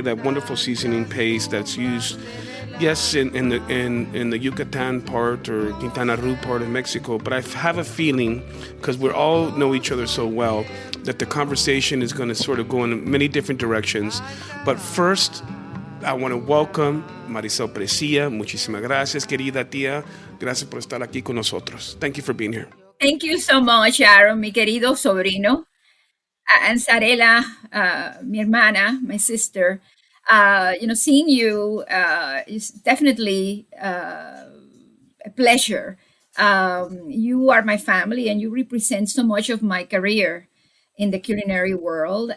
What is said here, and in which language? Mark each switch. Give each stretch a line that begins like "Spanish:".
English: That wonderful seasoning paste that's used, yes, in the Yucatan part or Quintana Roo part of Mexico. But I have a feeling, because we all know each other so well, that the conversation is going to sort of go in many different directions. But first, I want to welcome Maricel Presilla.
Spanish: Muchísimas gracias, querida tía. Gracias por estar aquí con nosotros.
English: Thank you for being here. Thank you so much, Aaron,
Spanish: mi querido sobrino.
English: And Sarela,
Spanish: mi hermana,
English: my sister, seeing you is definitely a pleasure. You are my family and you represent so much of my career in the culinary world.